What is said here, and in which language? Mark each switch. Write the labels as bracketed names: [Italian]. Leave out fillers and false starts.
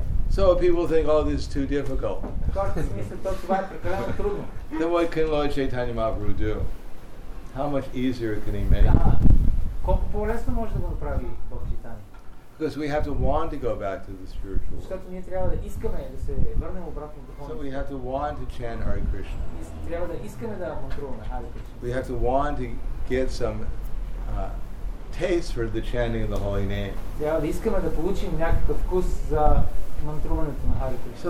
[English] So if people think, oh, this is too difficult, then what can Lord Chaitanya Mahaprabhu do? How much easier can he make? [Bulgarian] Колко по-лесно може да го направи Бог Чайтанья? [English] Because we have to want to go back to the spiritual world. [Bulgarian] Защото ние трябва да искаме да се върнем обратно в духовния. [English] So we have to want to chant Hare Krishna. [Bulgarian] Трябва да искаме да мантруваме Hare Krishna. [English] We have to want to get some taste for the chanting of the holy name. [Bulgarian] Трябва да искаме да получим някакъв вкус за мантруването на Hare Krishna.